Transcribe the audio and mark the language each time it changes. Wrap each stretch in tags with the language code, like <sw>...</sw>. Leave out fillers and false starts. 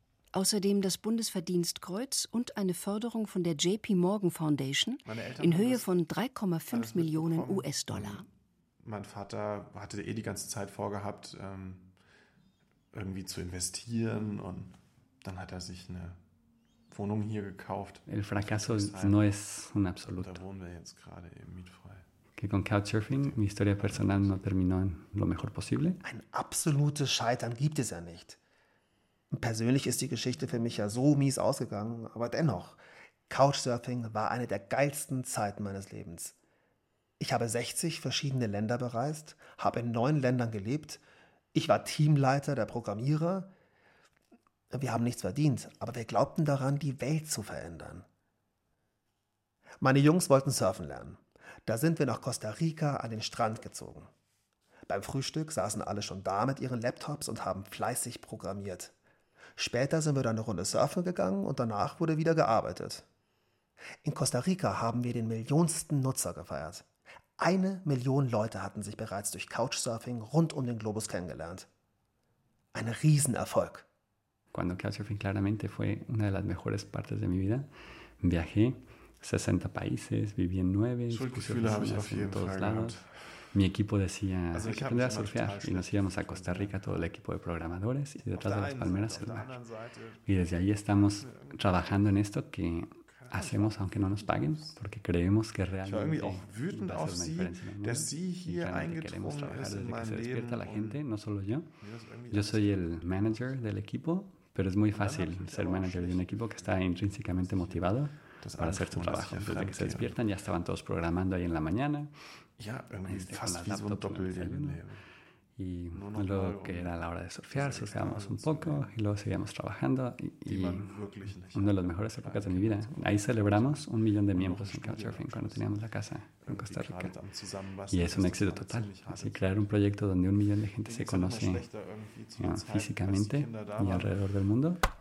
<de>Außerdem das Bundesverdienstkreuz und eine Förderung von der JP Morgan Foundation in Höhe von 3,5 Millionen US-Dollar. Mein Vater hatte eh die ganze Zeit vorgehabt, irgendwie zu investieren und dann hat er sich eine Wohnung hier gekauft.</de> <es>El fracaso no es un absoluto.</es> <de>Da wohnen wir jetzt gerade eben mietfrei.</de> <es>Que con Couchsurfing mi historia personal no terminó en lo mejor posible.</es> <de>Ein absolutes Scheitern gibt es ja nicht. Persönlich ist die Geschichte für mich ja so mies ausgegangen, aber dennoch, Couchsurfing war eine der geilsten Zeiten meines Lebens. Ich habe 60 verschiedene Länder bereist, habe in 9 Ländern gelebt, ich war Teamleiter der Programmierer. Wir haben nichts verdient, aber wir glaubten daran, die Welt zu verändern. Meine Jungs wollten surfen lernen. Da sind wir nach Costa Rica an den Strand gezogen. Beim Frühstück saßen alle schon da mit ihren Laptops und haben fleißig programmiert. Später sind wir dann eine Runde surfen gegangen und danach wurde wieder gearbeitet. In Costa Rica haben wir den millionsten Nutzer gefeiert. 1 Million Leute hatten sich bereits durch Couchsurfing rund um den Globus kennengelernt. Ein Riesenerfolg.</de> <es>Cuando Couchsurfing claramente fue una de las mejores partes de mi vida, viajé 60 países, viví en 9,</es> <de>Schuldgefühle habe ich auf jeden Fall gehabt.</de> <es>Mi equipo decía, ¿quién va a surfear? Y nos íbamos a Costa Rica, todo el equipo de programadores, y detrás de las palmeras el mar. Y desde ahí estamos trabajando en esto que hacemos aunque no nos paguen, porque creemos que realmente va a ser una diferencia en el mundo. Y realmente queremos trabajar desde que se despierta la gente, no solo yo. Yo soy el manager del equipo, pero es muy fácil ser manager de un equipo que está intrínsecamente motivado para hacer su trabajo. Desde que se despiertan ya estaban todos programando ahí en la mañana.</es> <de>Ja, irgendwie este fast wie so ein Doppelleben.</de> <es>Y lo que era la hora de surfear, surfeamos un poco y luego seguíamos trabajando. Y una de las mejores épocas de mi vida. Ahí celebramos 1 millón de miembros en Couchsurfing cuando teníamos la casa en Costa Rica. Y es un éxito total. Así, crear un proyecto donde 1 millón de gente se conoce físicamente y alrededor del mundo.</es>